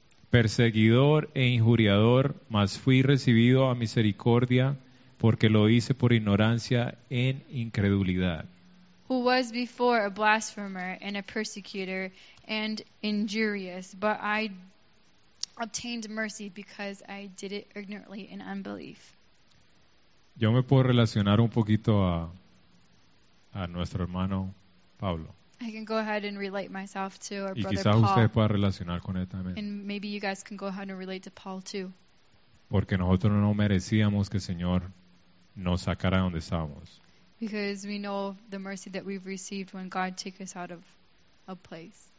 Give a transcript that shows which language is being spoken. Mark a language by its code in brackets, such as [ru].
[es] Perseguidor e injuriador, mas fui recibido a misericordia, porque lo hice por ignorancia en incredulidad. [en] Who was before a blasphemer and a persecutor and injurious, but I obtained mercy because I did it ignorantly in unbelief. [es] Yo me puedo relacionar un poquito a nuestro hermano Pablo. [en] I can go ahead and relate myself to our [es] y [en] brother Paul. [es] Y quizás usted pueda relacionar con él también. [en] And maybe you guys can go ahead and relate to Paul too. [es] Porque nosotros no merecíamos que el Señor nos sacara donde estábamos. [en] Because we know the mercy that we've received when God took us out of a place.